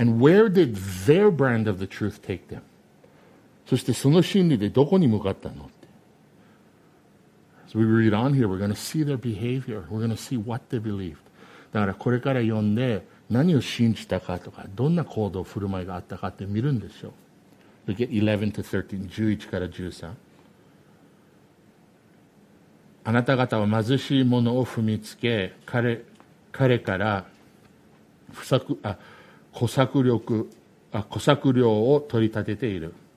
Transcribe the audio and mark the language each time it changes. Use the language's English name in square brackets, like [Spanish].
[English] And where did their brand of the truth take them? [Japanese] そしてその真理でどこに向かったのって。 [English] As we read on here, we're going to see their behavior. We're going to see what they believed. [Japanese] だからこれから読んで何を信じたかとかどんな行動振る舞いがあったかって見るんでしょう。 [English] Look at 11 to 13, [Japanese] 11から13。あなた方は貧しい者を踏みつけ、彼から小作料を取り立てている。